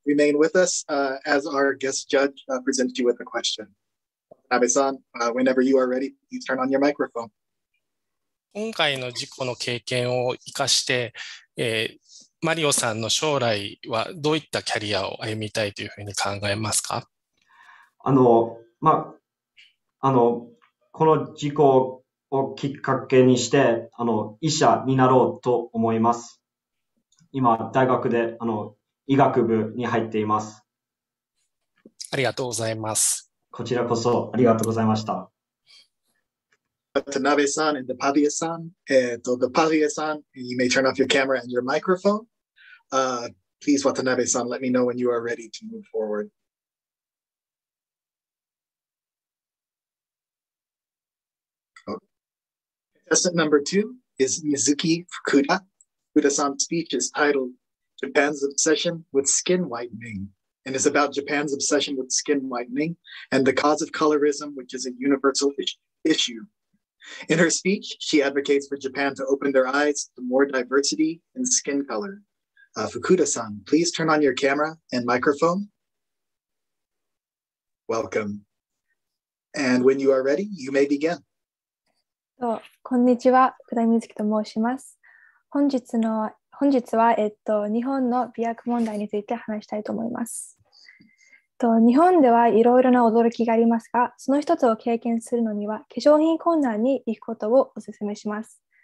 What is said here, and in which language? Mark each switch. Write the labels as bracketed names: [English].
[English] Remain with us as our guest judge presents you with a question. Abiyasan, whenever you are ready, please turn on your microphone. [Japanese] 今回の事故の経験を生かして、マリオさんの将来はどういったキャリアを歩みたいというふうに考えますか？この事故をきっかけにして医者になろうと思います。今大学で医学部に入っています。ありがとうございます。こちらこそありがとうございました。 [English] Tanabe-san and Depavia-san. Depavia-san, you may turn off your camera and your microphone. Please, Watanabe-san, let me know when you are ready to move forward. Contestant number two is Mizuki Fukuda. Fukuda-san's speech is titled Japan's Obsession with Skin Whitening and is about Japan's obsession with skin whitening and the cause of colorism, which is a universal issue. In her speech, she advocates for Japan to open their eyes to more diversity in skin color. Fukuda-san, please turn on your camera and microphone. Welcome. And when you are ready, you may begin. [Japanese] こんにちは、福田瑞希と申します。本日は、日本の美薬問題について話したいと思います。日本ではいろいろな驚きがありますが、その一つを経験するのには化粧品コーナーに行くことをお勧めします。